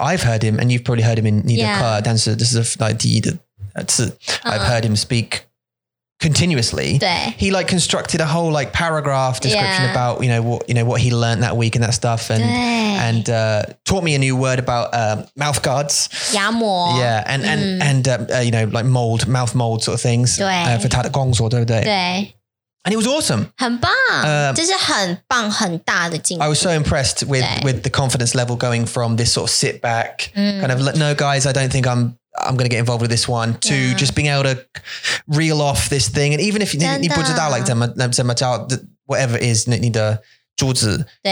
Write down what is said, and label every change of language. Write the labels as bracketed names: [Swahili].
[English] I've heard him, and you've probably heard him in neither car, dancer. This is a, like, that's a, I've heard him speak continuously. He like constructed a whole like paragraph description about, you know, what he learned that week and that stuff. And taught me a new word about mouth guards. You know, like mold, mouth mold sort of things. For [Chinese] 他的工作,对不对? [English] And it was awesome. [Chinese] 很棒,这是很棒很大的进步。 [English] I was so impressed with the confidence level going from this sort of sit back, kind of, no guys, I don't think I'm going to get involved with this one, to just being able to reel off this thing. And even if you need to put like whatever it is, you need a Jordan.